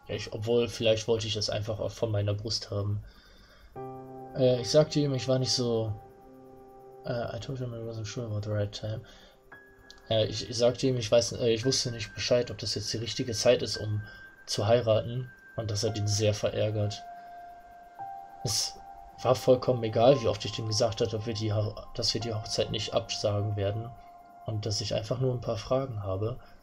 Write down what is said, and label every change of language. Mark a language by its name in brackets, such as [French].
[German] Obwohl, vielleicht wollte ich es einfach auch von meiner Brust haben. Ich sagte ihm, ich war nicht so. [English] I told him I wasn't sure about the right time. [German] Ich sagte ihm, ich wusste nicht Bescheid, ob das jetzt die richtige Zeit ist, um zu heiraten, und das hat ihn sehr verärgert. Es war vollkommen egal, wie oft ich ihm gesagt habe, dass wir die Hochzeit nicht absagen werden und dass ich einfach nur ein paar Fragen habe.